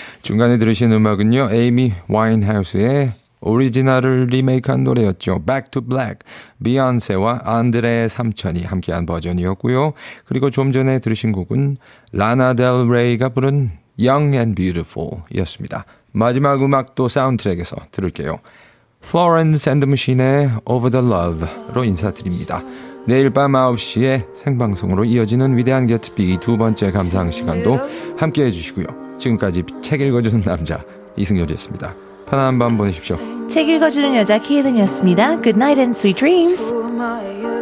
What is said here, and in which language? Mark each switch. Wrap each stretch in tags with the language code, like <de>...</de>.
<ko>중간에 들으신 음악은요, 에이미 와인하우스의 오리지널을 리메이크한 노래였죠. Back to Black, 비욘세와 안드레 삼촌이 함께한 버전이었고요. 그리고 좀 전에 들으신 곡은 라나 델 레이가 부른 Young and Beautiful이었습니다. 마지막 음악도 사운드트랙에서 들을게요. Florence and the Machine의 Over the Love로 인사드립니다. 내일 밤 9시에 생방송으로 이어지는 위대한 게츠비 두 번째 감상 시간도 함께해 주시고요. 지금까지 책 읽어주는 남자 이승열이었습니다. 편안한 밤 보내십시오. 책 읽어주는 여자 케이든이었습니다.</ko> <en>Good night and sweet dreams.</en>